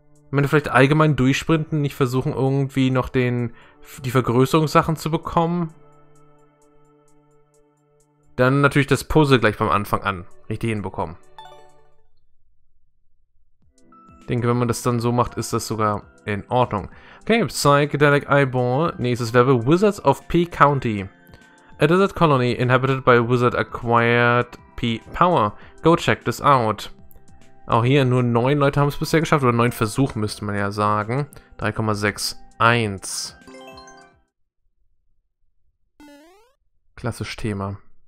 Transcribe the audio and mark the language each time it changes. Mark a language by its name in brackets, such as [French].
[German] Man vielleicht allgemein durchsprinten, nicht versuchen irgendwie noch die Vergrößerungssachen zu bekommen. Dann natürlich das Puzzle gleich beim Anfang an richtig hinbekommen. Ich denke, wenn man das dann so macht, ist das sogar in Ordnung. Okay, Psychedelic Eyeball, nächstes Level, Wizards of P County. [English] A desert colony inhabited by a wizard acquired P power. Go check this out. [German] Auch hier nur 9 Leute haben es bisher geschafft, oder 9 Versuche müsste man ja sagen. 3,61. Klassisch Thema.